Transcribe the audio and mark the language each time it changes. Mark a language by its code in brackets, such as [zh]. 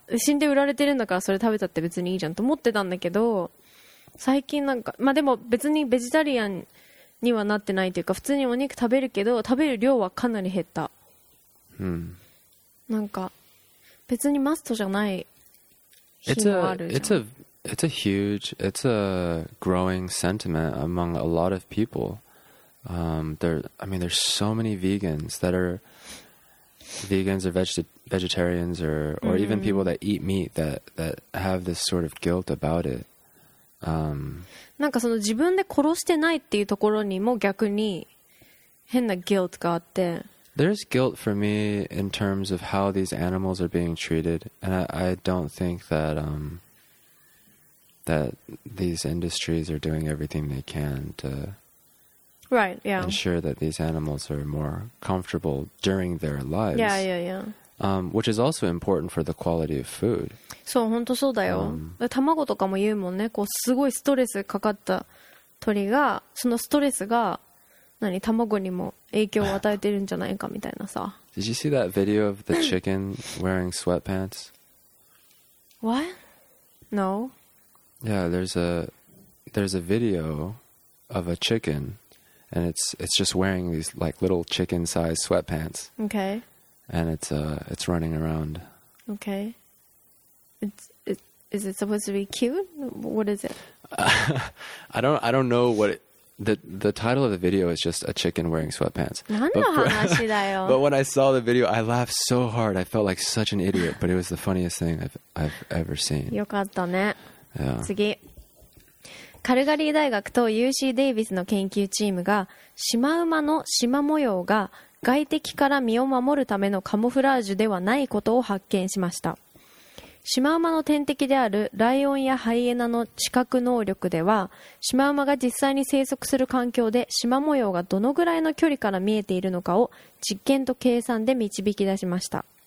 [ja] 死んで売られてるんだからそれ食べたって別にいいじゃんと思ってたんだけど、最近なんかまあでも別にベジタリアンにはなってないというか、普通にお肉食べるけど食べる量はかなり減った、 hmm. なんか別にマストじゃない日もあるじゃん。 [en] It's a It's a huge, it's a growing sentiment among a lot of people. There's so many vegans that are vegans or vegetarians or even people that eat meat that have this sort of guilt about it. [ja] なんかその自分で殺してないっていうところにも逆に変な guilt があって。 [en] There's guilt for me in terms of how these animals are being treated, and I don't think that that these industries are doing everything they can to right, yeah. ensure that these animals are more comfortable during their lives. Yeah, yeah, yeah. Which is also important for the quality of food. [ja] そう、本当そうだよ。卵とかも言うもんね。こうすごいストレスかかった鳥がそのストレスが何卵にも影響を与えてるんじゃないかみたいなさ。 [en] Did you see that video of the chicken wearing sweatpants? What? No. Yeah, there's a video of a chicken, and it's just wearing these like little chicken-sized sweatpants. Okay. And it's running around. Okay. Is it supposed to be cute? What is it? I don't know what it, the title of the video is just a chicken wearing sweatpants. [ja] 何の話だよ? [en] But when I saw the video, I laughed so hard. I felt like such an idiot, but it was the funniest thing I've ever seen. [ja] よかったね。 [en] Yeah. [ja] 次。カルガリー大学と UC デイビスの研究チームがシマウマのシマ模様が外敵から身を守るためのカモフラージュではないことを発見しました。シマウマの天敵であるライオンやハイエナの知覚能力では、シマウマが実際に生息する環境でシマ模様がどのぐらいの距離から見えているのかを実験と計算で導き出しました。